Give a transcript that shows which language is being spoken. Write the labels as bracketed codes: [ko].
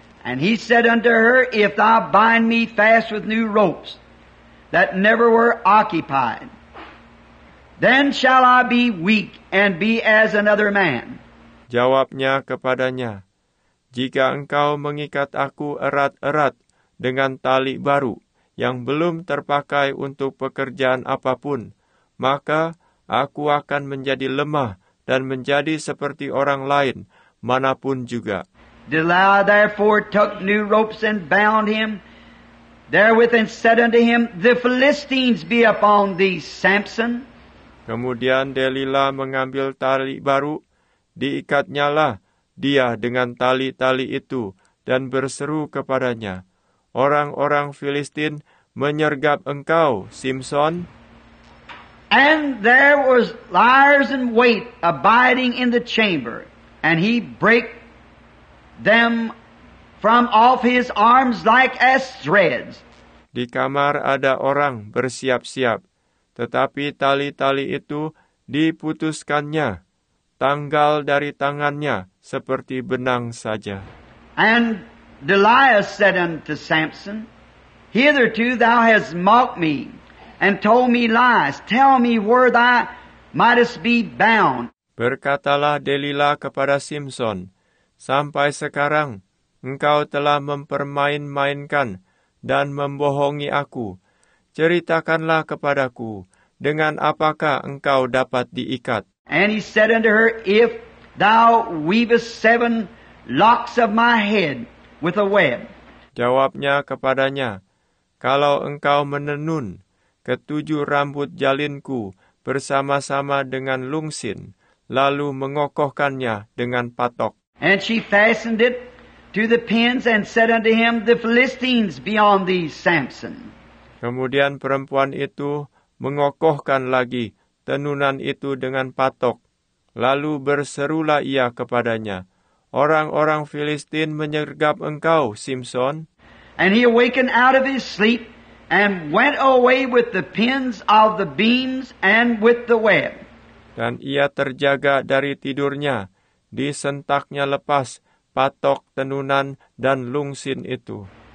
[en] And he said unto her, If thou bind me fast with new ropes that never were occupied, then shall I be weak and be as another man. [id] Jawabnya kepadanya, Jika engkau mengikat aku erat-erat, dengan tali baru yang belum terpakai untuk pekerjaan apapun, maka aku akan menjadi lemah dan menjadi seperti orang lain, manapun juga. [en] Delilah therefore took new ropes and bound him. Therewith and said unto him, the Philistines be upon thee, Samson. [id] Kemudian Delilah mengambil tali baru, diikatnyalah dia dengan tali-tali itu, dan berseru kepadanya, orang-orang Filistin menyergap engkau, Simson. [en] And there was liers in wait abiding in the chamber, and he brake them from off his arms like as threads. [id] Di kamar ada orang bersiap-siap, tetapi tali-tali itu diputuskannya, tanggal dari tangannya seperti benang saja. [en] And Delilah said unto Samson, hitherto thou hast mocked me and told me lies. Tell me where thou mightest be bound. [id] Berkatalah Delilah kepada Simson, sampai sekarang engkau telah mempermain-mainkan dan membohongi aku. Ceritakanlah kepadaku, dengan apakah engkau dapat diikat? [en] And he said unto her, if thou weavest 7 locks of my head with a web. [id] Jawabnya kepadanya, kalau engkau menenun 7 rambut jalinku bersama-sama dengan lungsin, lalu mengokohkannya dengan patok. [en] And she fastened it to the pins and said unto him, the Philistines be on thee, Samson. [id] Kemudian perempuan itu mengokohkan lagi tenunan itu dengan patok. Lalu berserulah ia kepadanya, orang-orang Filistin menyergap engkau, Simson. [en] And he awakened out of his sleep and went away with the pins of the beams and with the web. [id] Dan ia terjaga dari tidurnya, disentaknya lepas patok tenunan dan lungsin itu.